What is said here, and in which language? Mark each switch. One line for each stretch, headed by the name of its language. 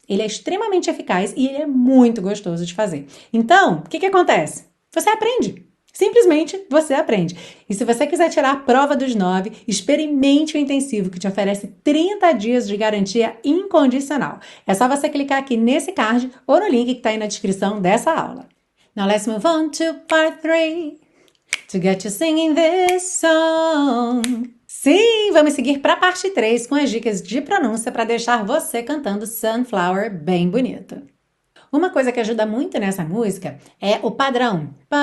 Portuguese: Ele é extremamente eficaz e ele é muito gostoso de fazer. Então, o que que acontece? Você aprende. Simplesmente você aprende. E se você quiser tirar a prova dos 9, experimente o intensivo que te oferece 30 dias de garantia incondicional. É só você clicar aqui nesse card ou no link que está aí na descrição dessa aula.
English: Now let's move on to part 3 to get you singing this song.
Portuguese: Sim, vamos seguir para a parte 3 com as dicas de pronúncia para deixar você cantando Sunflower bem bonito. Uma coisa que ajuda muito nessa música é o padrão.